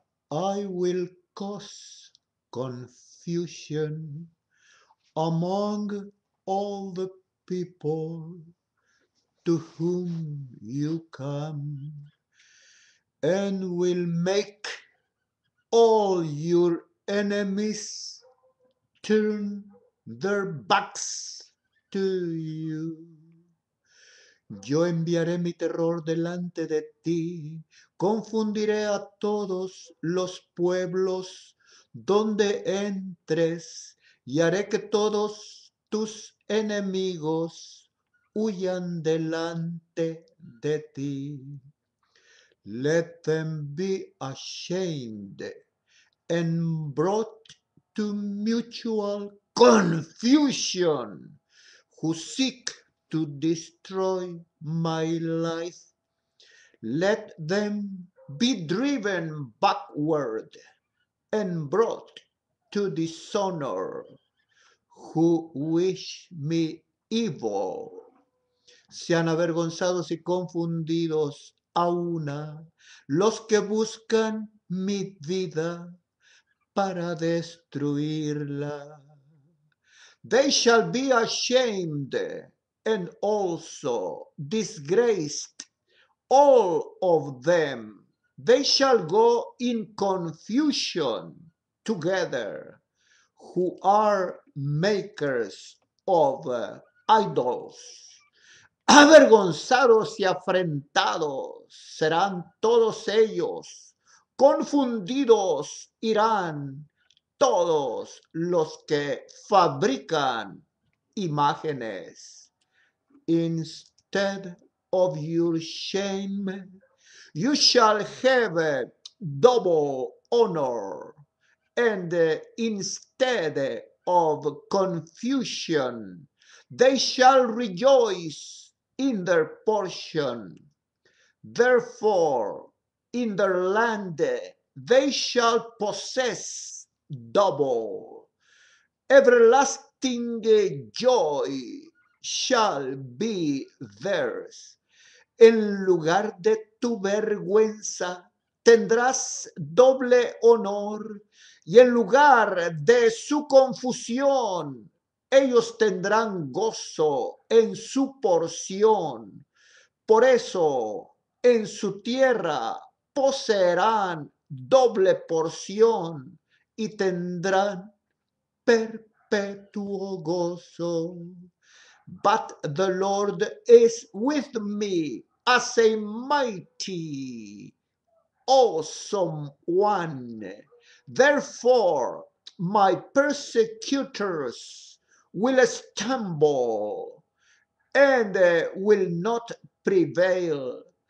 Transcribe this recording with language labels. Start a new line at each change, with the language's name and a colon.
English: I will cause confusion among all the people to whom you come, and will make all your enemies turn their backs to you.
Spanish: Yo enviaré mi terror delante de ti, confundiré a todos los pueblos donde entres y haré que todos tus enemigos huyan delante de ti.
English: Let them be ashamed and brought to mutual confusion, who seek to destroy my life. Let them be driven backward and brought to dishonor, who wish me evil.
Spanish: Sean avergonzados y confundidos a una los que buscan mi vida para destruirla.
English: They shall be ashamed and also disgraced, all of them. They shall go in confusion together, who are makers of idols.
Spanish: Avergonzados y afrentados serán todos ellos, confundidos irán todos los que fabrican imágenes.
English: Instead of your shame, you shall have a double honor, and instead of confusion, they shall rejoice in their portion. Therefore, in their land, they shall possess double. Everlasting joy shall be theirs.
Spanish: En lugar de tu vergüenza, tendrás doble honor, y en lugar de su confusión, ellos tendrán gozo en su porción. Por eso, en su tierra poseerán doble porción y tendrán perpetuo gozo.
English: But the Lord is with me as a mighty, awesome one. Therefore, my persecutors will stumble and will not prevail.